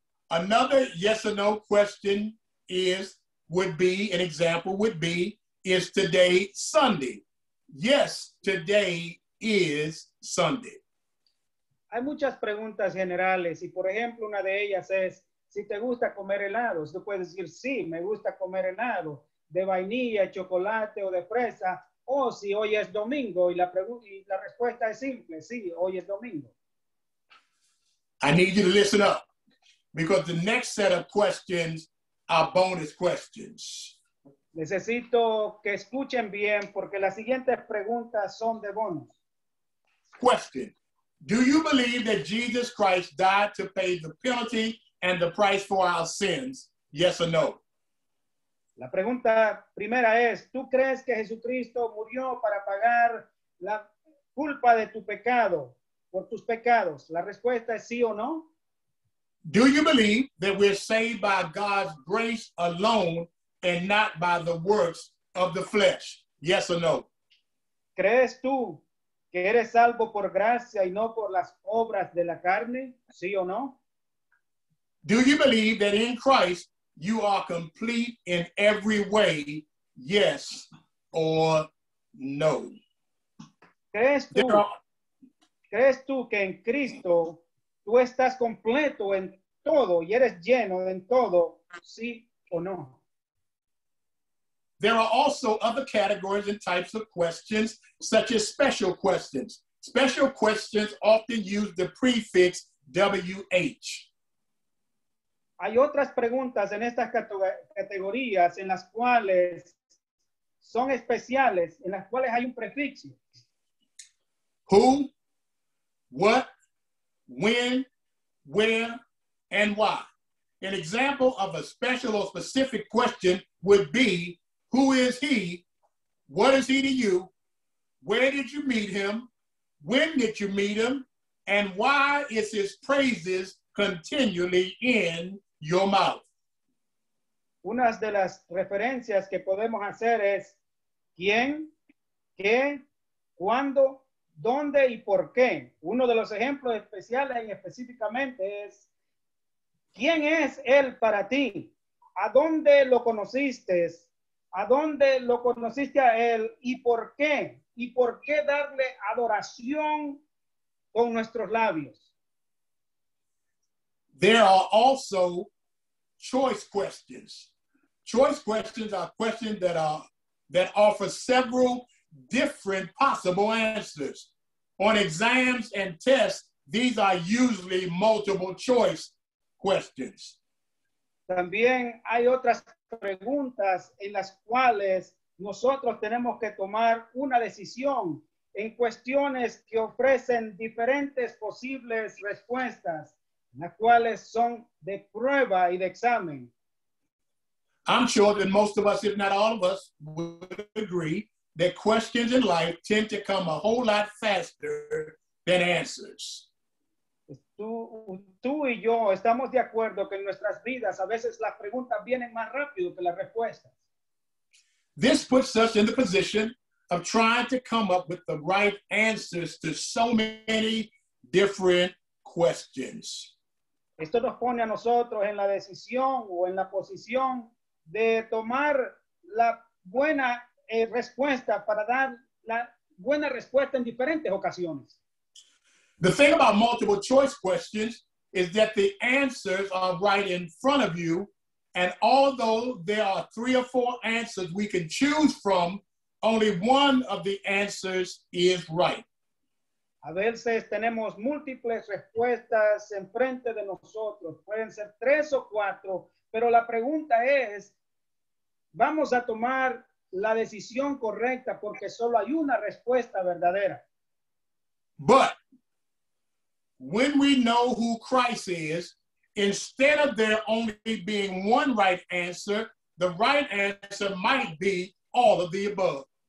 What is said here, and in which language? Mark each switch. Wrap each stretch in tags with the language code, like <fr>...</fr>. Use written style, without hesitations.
<en>Another yes or no question would be, is today Sunday? Yes, today is Sunday.</en> <es>Hay muchas preguntas generales, y por ejemplo, una de ellas es, si te gusta comer helado, tú puedes decir, sí, me gusta comer helado, de vainilla, chocolate o de fresa, o si hoy es domingo, y la respuesta es simple, sí, hoy es domingo.</es> <en>I need you to listen up, because the next set of questions are bonus questions.</en> <es>Necesito que escuchen bien, porque las siguientes preguntas son de bonus.</es> <en>Question. Do you believe that Jesus Christ died to pay the penalty and the price for our sins? Yes or no?</en> <es>La pregunta primera es, ¿tú crees que Jesucristo murió para pagar la culpa de tu pecado, por tus pecados? La respuesta es sí o no.</es> <en>Do you believe that we're saved by God's grace alone and not by the works of the flesh? Yes or no?</en> <es>¿Crees tú que eres salvo por gracia y no por las obras de la carne? ¿Sí o no?</es> <en>Do you believe that in Christ you are complete in every way? Yes or no?</en> <es>¿Crees tú que en Cristo tú estás completo en todo y eres lleno en todo? ¿Sí o no?</es> <en>There are also other categories and types of questions, such as special questions. Special questions often use the prefix WH.</en> <es>Hay otras preguntas en estas categorías en las cuales son especiales, en las cuales hay un prefixo.</es> <en>Who, what, when, where, and why. An example of a special or specific question would be, who is he? What is he to you? Where did you meet him? When did you meet him? And why is his praises continually in your mouth?</en> <es>Una de las referencias que podemos hacer es quién, qué, cuándo, dónde y por qué. Uno de los ejemplos especiales y específicamente es quién es él para ti. ¿A dónde lo conociste? ¿A dónde lo conociste a él y por qué? ¿Y por qué darle adoración con nuestros labios?</es> <en>There are also choice questions. Choice questions are questions that offer several different possible answers. On exams and tests, these are usually multiple choice questions.</en> <es>También hay otras preguntas en las cuales nosotros tenemos que tomar una decisión en cuestiones que ofrecen diferentes posibles respuestas, las cuales son de prueba y de examen.</es> <en>I'm sure that most of us, if not all of us, would agree that questions in life tend to come a whole lot faster than answers.</en> <es>Tú y yo estamos de acuerdo que en nuestras vidas a veces las preguntas vienen más rápido que las respuestas.</es> <en>This puts us in the position of trying to come up with the right answers to so many different questions.</en> <es>Esto nos pone a nosotros en la decisión o en la posición de tomar la buena respuesta para dar la buena respuesta en diferentes ocasiones.</es> <en>The thing about multiple choice questions is that the answers are right in front of you, and although there are three or four answers we can choose from, only one of the answers is right.</en> <es>A veces tenemos múltiples respuestas enfrente de nosotros. Pueden ser tres o cuatro, pero la pregunta es, ¿vamos a tomar la decisión correcta porque solo hay una respuesta verdadera?</es> <en>But when we know who Christ is, instead of there only being one right answer, the right answer might be all of the above.</en>